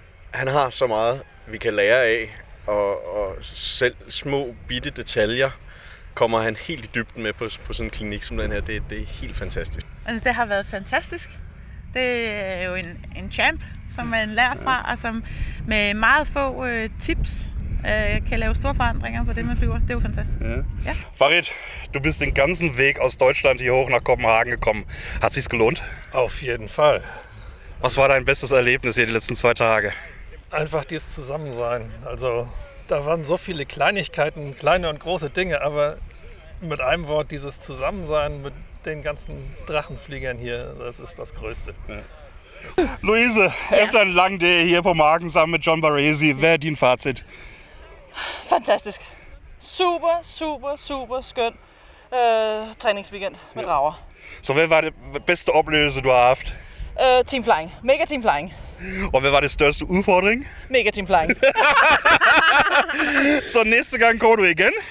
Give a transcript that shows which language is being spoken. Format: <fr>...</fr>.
<da>Han har så meget, vi kan lære af, og selv små bitte detaljer kommer han helt i dybden med på sådan en klinik som den her. Det er helt fantastisk. Det har været fantastisk. Det er jo en champ, som man lærer fra, og som med meget få tips kan lave store forandringer på det, man flyver. Det er jo fantastisk. Ja. Ja.</da> <de>Farid, du bist den ganzen Weg aus Deutschland hier hoch nach Kopenhagen gekommen. Hat sich's gelohnt? Auf jeden Fall. Was war dein bestes Erlebnis hier die letzten zwei Tage? Einfach dieses Zusammensein. Also da waren so viele Kleinigkeiten, kleine und große Dinge, aber mit einem Wort dieses Zusammensein mit den ganzen Drachenfliegern hier, das ist das Größte. Ja. Luise, echt ein langer Tag hier vom Magen zusammen mit John Barresi. Wer dein Fazit? Fantastisch. Super, super, super schön. Trainingsweekend mit Rauer. So, wer war die beste Oplevelse du hast?</de> <en>Team Flying. Mega Team Flying.</en> <da>Og hvad var det største udfordring?</da> <en>Mega Team Flying.</en> <da>Så næste gang går du igen?</da>